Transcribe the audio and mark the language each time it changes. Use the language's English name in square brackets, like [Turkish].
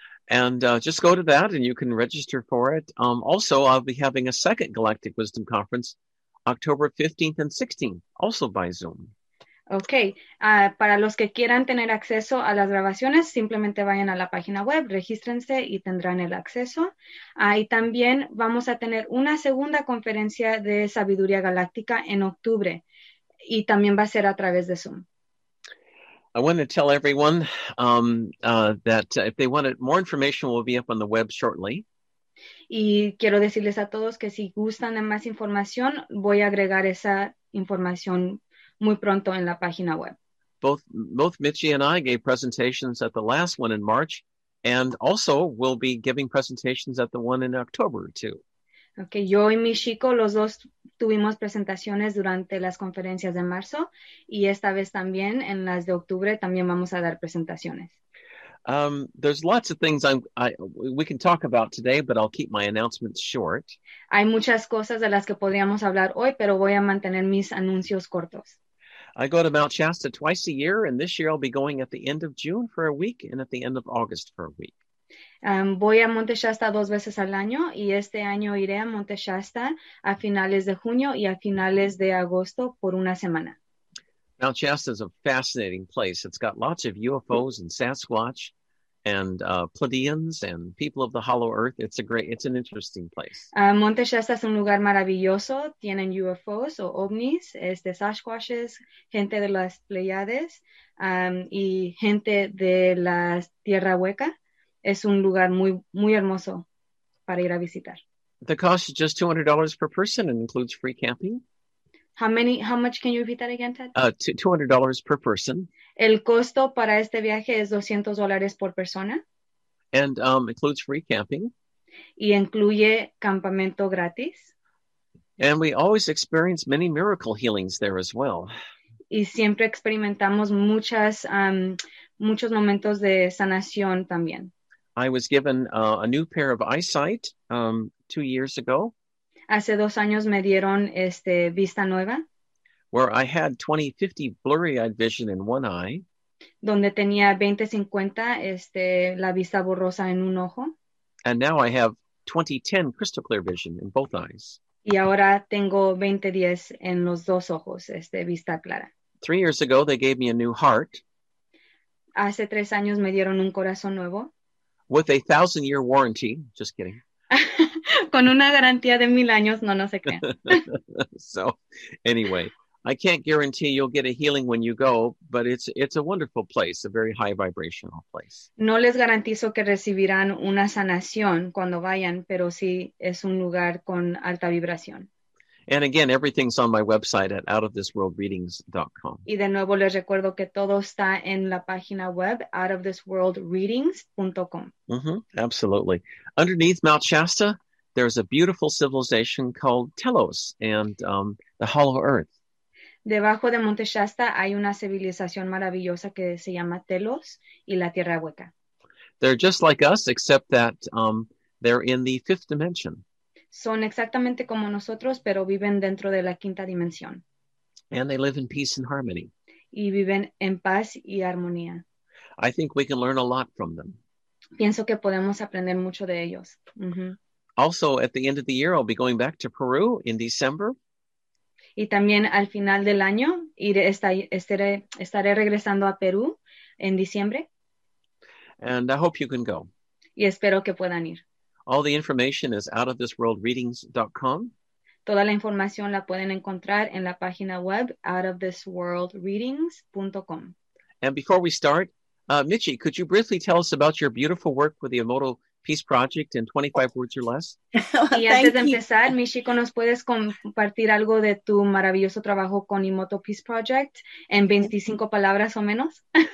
[English] And just go to that and you can register for it. Also, I'll be having a second Galactic Wisdom Conference October 15th and 16th, also by Zoom. [Spanish] Okay, para los que quieran tener acceso a las grabaciones, simplemente vayan a la página web, regístrense y tendrán el acceso. Y también vamos a tener una segunda conferencia de Sabiduría Galáctica en octubre y también va a ser a través de Zoom. [English] I want to tell everyone that if they wanted more information, we'll be up on the web shortly. [Spanish] Y quiero decirles a todos que si gustan de más información, voy a agregar esa información muy pronto en la página web. [English] Both Michi and I gave presentations at the last one in March And also, we'll be giving presentations at the one in October, too. [Spanish] Okay, yo y mi chico, los dos tuvimos presentaciones durante las conferencias de marzo, y esta vez también, en las de octubre, también vamos a dar presentaciones. [English] There's lots of things we can talk about today, but I'll keep my announcements short. [Spanish] Hay muchas cosas de las que podríamos hablar hoy, pero voy a mantener mis anuncios cortos. [English] I go to Mount Shasta twice a year, and this year I'll be going at the end of June for a week and at the end of August for a week. [Spanish] Voy a Monte Shasta dos veces al año, y este año iré a Monte Shasta a finales de junio y a finales de agosto por una semana. [English] Mount Shasta is a fascinating place. It's got lots of UFOs and Sasquatch and Pleiadians and people of the Hollow Earth. It's an interesting place. [Spanish] Monte Shasta es un lugar maravilloso. Tienen UFOs o ovnis, Sasquatches, gente de las Pleiades, y gente de la Tierra Hueca. Es un lugar muy, muy hermoso para ir a visitar. [English] The cost is just $200 per person and includes free camping. How much can you repeat that again, Ted? $200 per person. [Spanish] El costo para este viaje es $200 por persona. [English] And includes free camping. [Spanish] Y incluye campamento gratis. [English] And we always experience many miracle healings there as well. [Spanish] Y siempre experimentamos muchos momentos de sanación también. [English] I was given a new pair of eyesight 2 years ago. [Spanish] Hace dos años me dieron vista nueva. [English] Where I had 20/50 blurry-eyed vision in one eye. [Spanish] Donde tenía 20/50 la vista borrosa en un ojo. [English] And now I have 20/10 crystal clear vision in both eyes. [Spanish] Y ahora tengo 20/10 en los dos ojos vista clara. [English] 3 years ago they gave me a new heart. [Spanish] Hace tres años me dieron un corazón nuevo. [English] With a 1,000-year warranty. Just kidding. [Spanish] Con una garantía de 1,000 años, no se crean. [English] So, anyway, I can't guarantee you'll get a healing when you go, but it's a wonderful place, a very high vibrational place. [Spanish] No les garantizo que recibirán una sanación cuando vayan, pero sí es un lugar con alta vibración. [English] And again, everything's on my website at outofthisworldreadings.com. [Spanish] Y de nuevo les recuerdo que todo está en la página web, outofthisworldreadings.com. [English] Absolutely. Underneath Mount Shasta, there's a beautiful civilization called Telos and the Hollow Earth. [Spanish] Debajo de Monte Shasta hay una civilización maravillosa que se llama Telos y la Tierra Hueca. [English] They're just like us, except that they're in the fifth dimension. [Spanish] Son exactamente como nosotros, pero viven dentro de la quinta dimensión. [English] And they live in peace and harmony. [Spanish] Y viven en paz y armonía. [English] I think we can learn a lot from them. [Spanish] Pienso que podemos aprender mucho de ellos. [English] Also, at the end of the year, I'll be going back to Peru in December. [Spanish] Y también al final del año, estaré regresando a Perú en diciembre. [English] And I hope you can go. [Spanish] Y espero que puedan ir. [English] All the information is outofthisworldreadings.com. [Spanish] Toda la información la pueden encontrar en la página web outofthisworldreadings.com. [English] And before we start, Michi, could you briefly tell us about your beautiful work with the Emoto Peace Project in 25 words or less? [Spanish] Y antes de empezar, Michiko, ¿nos puedes compartir algo de tu maravilloso trabajo con Emoto Peace Project en 25 palabras o menos?